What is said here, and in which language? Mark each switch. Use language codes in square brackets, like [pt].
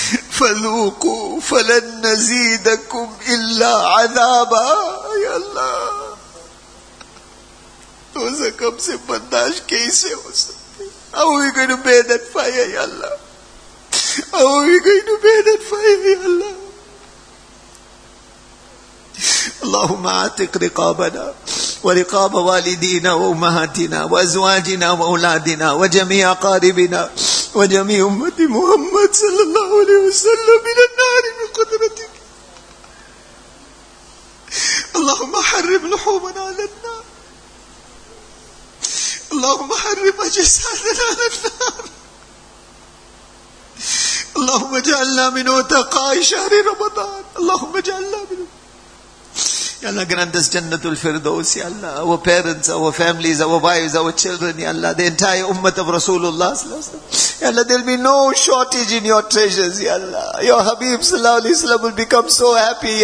[ar] فَذُوقُوا فَلَنْ نَزِيدَكُمْ إِلَّا عَذَابًا. [ur] Ya Allah, [en] those come [ur] se bandaj kaise ho sakte? [en] How are we going to bear that fire? Ya Allah, how are we going to bear that fire? [ar] Ya Allah, Allahumma atiq riqabana ورقاب والدينا وأمهاتنا وأزواجنا وأولادنا وجميع أقاربنا وجميع أمة محمد صلى الله عليه وسلم من النار بقدرتك. اللهم حرم لحومنا على النار, اللهم حرم أجسادنا على النار, اللهم اجعلنا من عتقاء شهر رمضان. اللهم اجعلنا من, [en] Ya Allah, grant us Jannatul Firdaus. Ya Allah, our parents, our families, our wives, our children. Ya Allah, the entire ummah of Rasulullah sallallahu alaihi wasallam. Ya Allah, there'll be no shortage in your treasures. Ya Allah, your Habib sallallahu alaihi wasallam will become so happy.